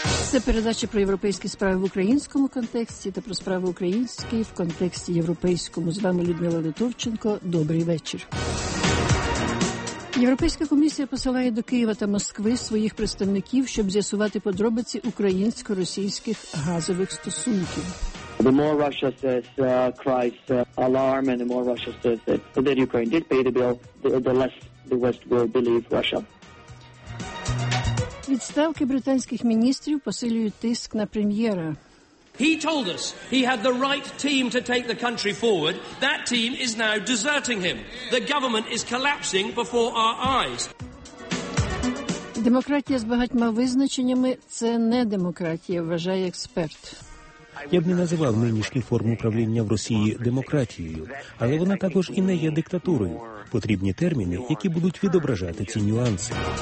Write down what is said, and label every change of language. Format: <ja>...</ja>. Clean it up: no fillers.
<uk>Це передача про європейські справи в українському контексті та про справи українські в контексті європейському. З вами Людмила Литовченко. Добрий вечір. Європейська комісія посилає до Києва та Москви своїх представників, щоб з'ясувати подробиці українсько-російських газових стосунків.</uk> <en>The more Russia says cries alarm and the more Russia says that Ukraine did pay the bill, the less the West will believe Russia.</en> <uk>Відставки британських міністрів посилюють тиск на прем'єра.</uk> <en>He told us he had the right team to take the country forward. That team is now deserting him. The government is collapsing before our eyes.</en> <uk>Демократія з багатьма визначеннями – це не демократія, вважає експерт. Я б не називав нинішню форму правління в Росії демократією, але вона також і не є диктатурою. Потрібні терміни, які будуть відображати ці нюанси.</uk>